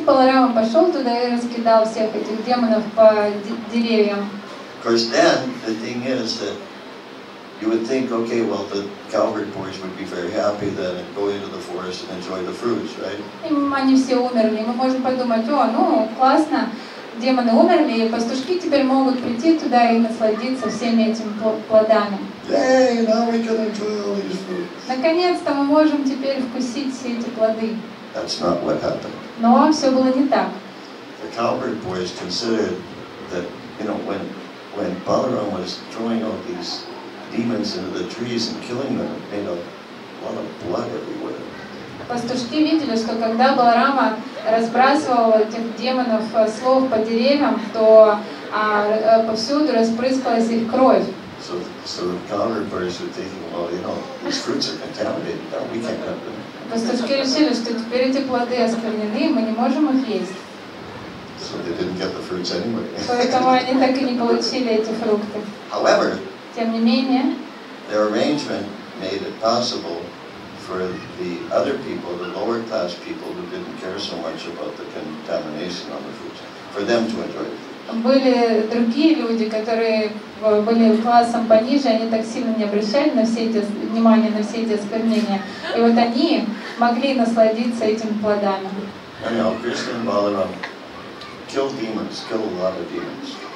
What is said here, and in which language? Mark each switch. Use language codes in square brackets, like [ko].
[ru] И Баларама пошел туда и раскидал всех этих демонов по деревьям. [en] Because then, the thing is that you would think, okay, well, the cowherd boys would be very happy then and go into the forest and enjoy the fruits, right? [ru] И они все умерли. Мы можем подумать, о, ну, классно, демоны умерли, и пастушки теперь могут прийти туда и насладиться всеми этими плодами. [en] Yay, now we can enjoy all these fruits. [ru] Наконец-то мы можем теперь вкусить все эти плоды. [en] That's not what happened. [ru] Но все было не так. [en] The cowherd boys considered that, you know, when Balaram was throwing all these demons into the trees and killing them, made a lot of blood everywhere. [ru] Пастушки видели, что когда Баларама разбрасывал этих демонов слов по деревьям, то повсюду распрыскалась их кровь. [en] So the cowherd boys were thinking, well, you know, these fruits are contaminated, now we can't have them. [ru] Пастушки решили, что теперь эти плоды осквернены, мы не можем их есть. [en] So they didn't get the fruits anyway. [ru] Поэтому они так и не получили эти фрукты. [en] However, [ru] тем не менее, [en] their arrangement made it possible for the other people, the lower class people who didn't care so much about the contamination on the fruits, for them to enjoy it. [ru] Были другие люди, которые были классом пониже, они так сильно не обращали на все эти внимание на все эти осквернения, и вот они могли насладиться этими плодами. [en] Anyhow, Krishna and Balaram killed demons, killed a lot of demons.